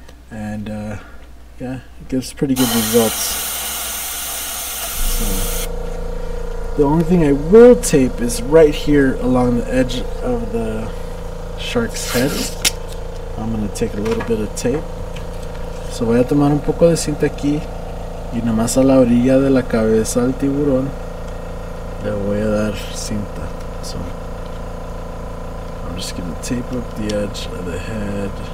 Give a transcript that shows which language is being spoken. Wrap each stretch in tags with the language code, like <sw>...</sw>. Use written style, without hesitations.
<en>And, it gives pretty good results. So the only thing I will tape is right here along the edge of the shark's head. I'm going to take a little bit of tape.</en> <es>So voy a tomar un poco de cinta aquí y nomás a la orilla de la cabeza del tiburón le voy a dar cinta.</es> <en>So I'm just going to tape up the edge of the head.</en>